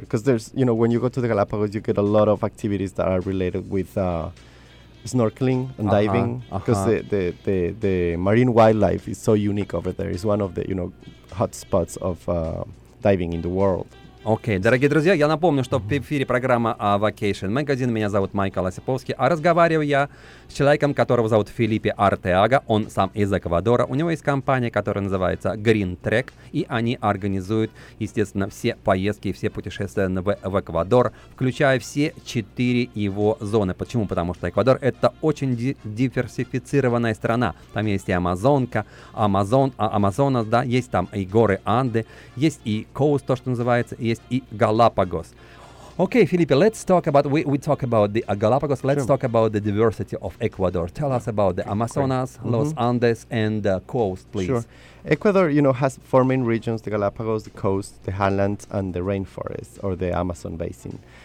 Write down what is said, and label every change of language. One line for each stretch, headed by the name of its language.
English: Because there's, you know, when you go to the Galapagos, you get a lot of activities that are related with snorkeling and diving, because the marine wildlife is so unique over there. It's one of the, you know, hot spots of diving in the world.
Russian: Окей, дорогие друзья, я напомню, что в эфире программа Vacation Magazine. Меня зовут Майкл Осиповский, а разговариваю я с человеком, которого зовут Филиппе Артеага. Он сам из Эквадора. У него есть компания, которая называется Green Trek, и они организуют, естественно, все поездки и все путешествия в Эквадор, включая все четыре его зоны. Почему? Потому что Эквадор — это очень диверсифицированная страна. Там есть и Амазонас, да, есть там и горы Анды, есть и Коуст, то, что называется, есть и Галапагос.
English: Okay, Felipe, let's talk about, we talk about the Galapagos, let's talk about the diversity of Ecuador. Tell us about the Amazonas, mm-hmm. Los Andes, and the coast, please. Sure. Ecuador, you know, has four main regions, the Galapagos, the coast, the highlands, and the rainforest, or the Amazon basin.